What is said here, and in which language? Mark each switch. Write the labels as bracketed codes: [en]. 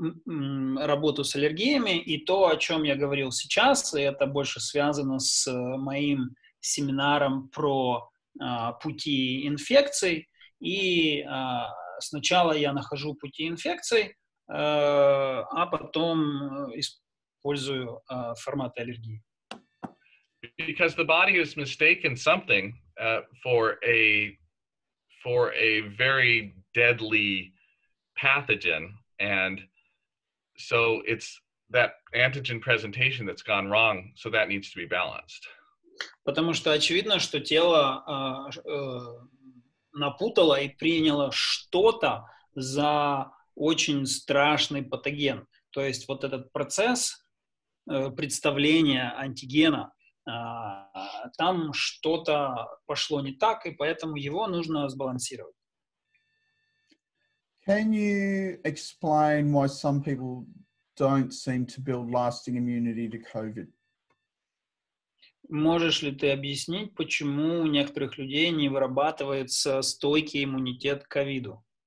[ru] Работу с аллергиями, и то, о чем я говорил сейчас, это больше связано с моим семинаром про пути инфекций, и сначала я нахожу пути инфекций, а потом использую форматы аллергии. [en] Because the body has mistaken something for a very deadly pathogen, and so it's that antigen presentation that's gone wrong, so that needs to be balanced. [ru] Потому что очевидно, что тело напутало и приняло что-то за очень страшный патоген. То есть вот этот процесс представления антигена, там что-то пошло не так, и поэтому его нужно сбалансировать. [en] Can you explain why some people don't seem to build lasting immunity to COVID? [ru] Можешь ли ты объяснить, почему у некоторых людей не вырабатывается стойкий иммунитет к ковиду?